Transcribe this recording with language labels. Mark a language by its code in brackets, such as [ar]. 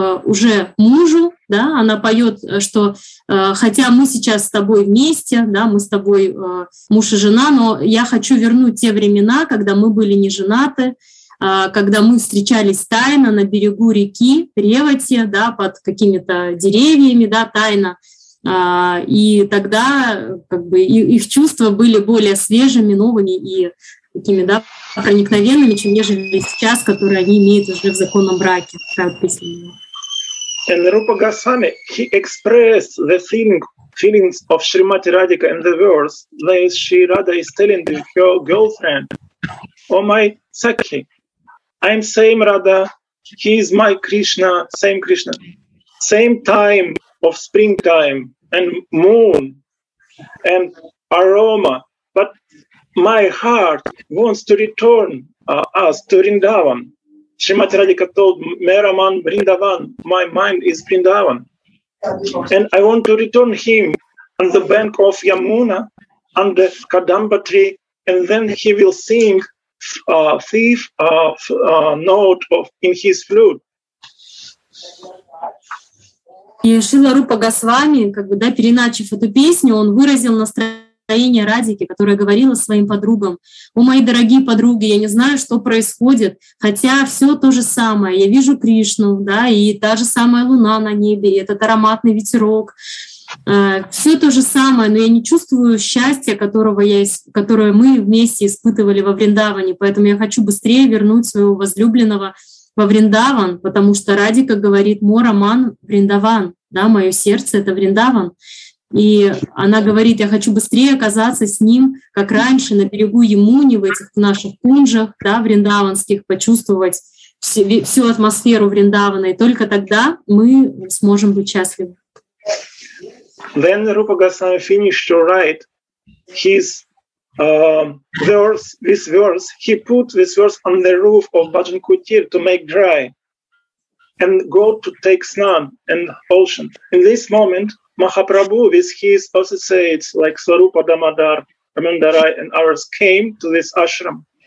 [ru] уже мужу, да, она поет, что хотя мы сейчас с тобой вместе, да, мы с тобой муж и жена, но я хочу вернуть те времена, когда мы были не женаты, когда мы встречались тайно на берегу реки Ревати, да, под какими-то деревьями, да, тайно. И тогда как бы их чувства были более свежими, новыми и такими, да, проникновенными, чем нежели сейчас, которые они имеют уже в законном браке. [en] And Rupa Goswami, he expressed the feelings of Srimati Radhika in the verse that Sri Radha is telling to her girlfriend, "Oh my Sakhi, I am same Radha, he is my Krishna, same time of springtime and moon and aroma, but my heart wants to return us to Vrindavan." Srimati Radhika told Mera Man Vrindavan, my mind is Vrindavan. And I want to return him on the bank of Yamuna, under Kadamba tree, and then he will sing a thief note of in his flute. [ru] И Шрила Рупа Госвами, как бы, да, переначив эту песню, он выразил настроение Радхики, которая говорила своим подругам: «О, мои дорогие подруги, я не знаю, что происходит, хотя все то же самое. Я вижу Кришну, да, и та же самая луна на небе, и этот ароматный ветерок. Все то же самое, но я не чувствую счастья, которое мы вместе испытывали во Вриндаване, поэтому я хочу быстрее вернуть своего возлюбленного во Вриндаван, потому что Радика говорит: «Мора ман Вриндаван», да, мое сердце — это Вриндаван. И она говорит: я хочу быстрее оказаться с ним, как раньше, на берегу Ямуни, в этих наших кунжах, да, вриндаванских, почувствовать всю атмосферу Вриндавана, и только тогда мы сможем быть счастливы. [en] Then Rupa Goswami finished to write his verse. He put this verse on the roof of Bhajan Kutir to make dry and go to take snan and ocean. In this moment, Mahaprabhu with his associates like Swarupa Damodar, Ramandarai and others came to this ashram.